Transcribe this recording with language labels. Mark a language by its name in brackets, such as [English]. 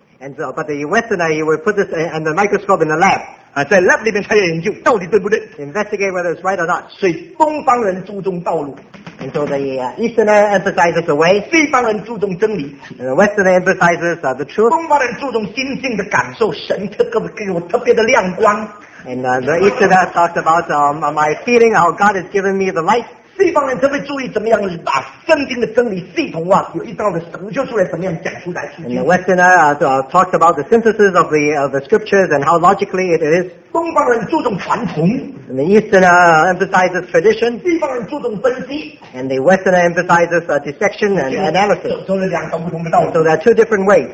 [English] And so, but the Westerner, he will put this in the microscope in the lab. [Chinese] 在 lab 里面他也研究到底对不对。 [English] Investigate whether it's right or not. [Chinese] 所以东方人注重道路。 [English] And so the Easterner emphasizes the way. [Chinese] 西方人注重真理。 [English] The Westerner emphasizes the truth. [Chinese] 东方人注重心性的感受，神特别给我特别的亮光。 [English] And the Easterner talks about my feeling, how God has given me the light. [Chinese] 西方人特别注意怎么样把圣经的真理系统化，有一道的神就出来，怎么样讲出来。 [English] And the Westerner talked about the synthesis of the scriptures and how logically it is. [Chinese] 东方人注重传统。 [English] And the Easterner emphasizes tradition. [Chinese] 西方人注重分析。 [English] And the Westerner emphasizes dissection and analysis. [Chinese] 这是两种不同的道理。 [English] So there are two different ways.